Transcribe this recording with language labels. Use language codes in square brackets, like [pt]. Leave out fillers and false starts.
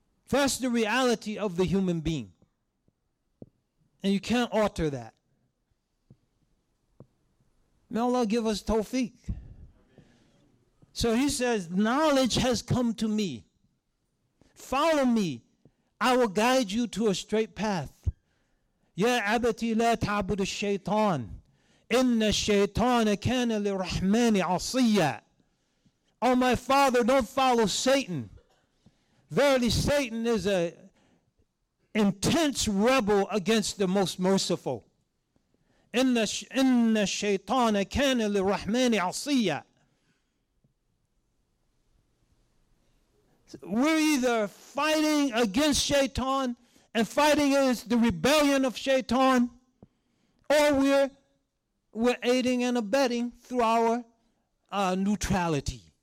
[en] That's the reality of the human being. And you can't alter that. May Allah give us tawfiq. So he says, knowledge has come to me. Follow me. I will guide you to a straight path. [ar] يا أبتي لا تعبد الشيطان إن الشيطان كان للرحمن عصيا. [en] Oh my father, don't follow Satan. Verily Satan is an intense rebel against the most merciful. [ar] إن الشيطان كان للرحمن عصيا. [en] We're either fighting against Shaitan and fighting against the rebellion of Shaitan, or we're aiding and abetting through our neutrality.